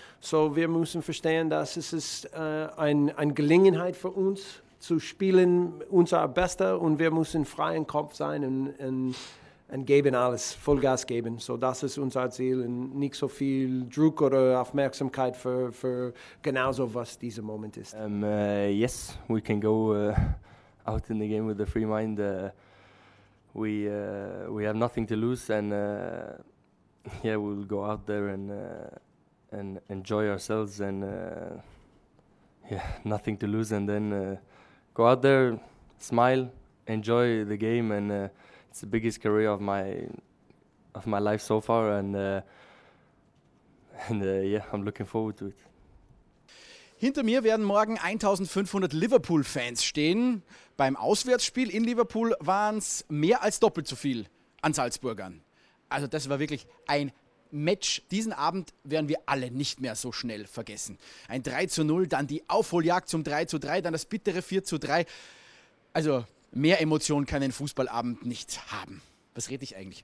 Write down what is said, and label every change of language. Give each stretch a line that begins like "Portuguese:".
German: So, wir müssen verstehen, dass es ist eine Gelegenheit für uns zu spielen, unser Bester, und wir müssen freien Kopf sein und geben alles, Vollgas geben. So, das ist unser Ziel. Und nicht so viel Druck oder Aufmerksamkeit für genauso, was dieser Moment ist.
English: Yes, we can go out in the game with a free mind. We have nothing to lose. And yeah, we'll go out there and enjoy ourselves. And yeah, nothing to lose. And then go out there, smile, enjoy the game. And it's the biggest career of my life so far, and yeah, I'm looking forward to it.
German: Hinter mir werden morgen 1500 Liverpool-Fans stehen. Beim Auswärtsspiel in Liverpool waren es mehr als doppelt so viel an Salzburgern. Also das war wirklich ein Match. Diesen Abend werden wir alle nicht mehr so schnell vergessen. Ein 3:0, dann die Aufholjagd zum 3:3, dann das bittere 4:3. Also mehr Emotion kann ein Fußballabend nicht haben. Was rede ich eigentlich?